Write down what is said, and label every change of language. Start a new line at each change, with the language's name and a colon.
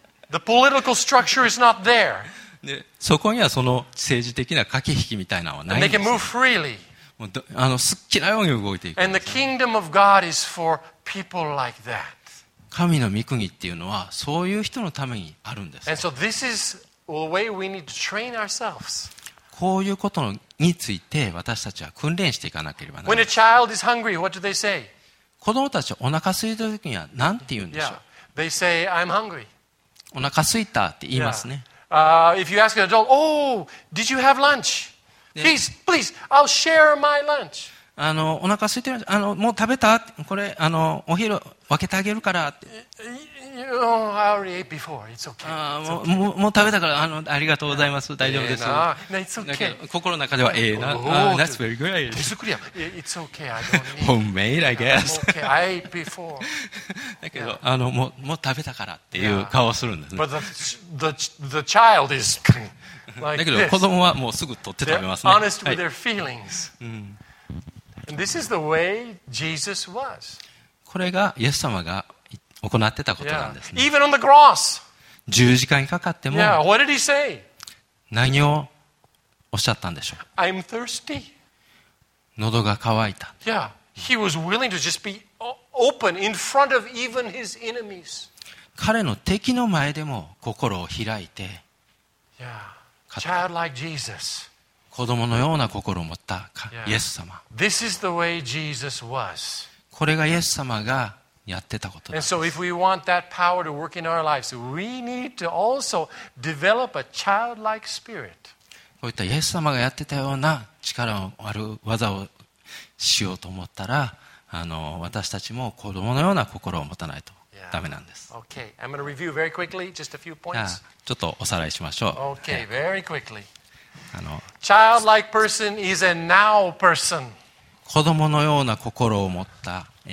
English: The political structure is not there。
Japanese: で、そこにはその政治的な駆け引きみたいなのはないんです。
English: They can move freely。
Japanese: もう好きなように動いていく。
English: And the kingdom of God is for people like that。
Japanese: 神の御国っていうのはそういう人のためにあるんです。
English: And so this is the way we need to train ourselves。
Japanese: こういうことについて私たちは訓練していかなければならない。
English: When a child is hungry, what do they say?
Japanese: 子供たちお腹空いた時には何て言うんでしょう。
English: Yeah. They say, I'm hungry.
Japanese: お腹空いたって言いますね。
English: Yeah. If you ask an adult, oh, did you have lunch? Please, I'll share my lunch.
Japanese: お腹空いてる、もう食べた？これ、お昼分けてあげるからって。
English: Oh, I already ate before. It's okay.
Japanese: もう食べたから、ありがとうございます。大丈夫です。
English: It's okay.
Japanese: 心の中では、ええな。
English: That's very good.
Japanese: 手作りや。
English: It's okay. I don't need. Homemade, I guess. Okay. I ate before.
Japanese: だけど、もう食べたからっていう顔をするんですね。
English: But the child is
Japanese: だけど子供はもうすぐ取って食べますね。
English: Honest with their feelings. And this is the way Jesus was.
Japanese: これがイエス様が行ってたことなんですね。
English: Yeah. Even on the cross.
Japanese: 十字架にかかっても。
English: Yeah. What did he say?
Japanese: 何をおっしゃったんでしょう。
English: I'm thirsty.
Japanese: 喉が渇いた。
English: Yeah. He was willing to just be open in front of even his enemies.
Japanese: 彼の敵の前でも心を開いて。
English: Yeah. Childlike Jesus.
Japanese: 子供のような心を持ったイエス様。
English: Yeah. This is the way Jesus was.
Japanese: これがイエス様がやってたことです。
English: And so if we want that power to work in our lives, we need to also develop a childlike spirit.
Japanese: こういったイエス様がやってたような力のある技をしようと思ったら、私たちも子供のような心を持たないとダメなんです。
English: Okay. I'm going to review very quickly, just a few points.
Japanese: ちょっとおさらいしましょう。
English: Okay. Very quickly. Childlike person is a now person.
Japanese: 子供のような心を持った、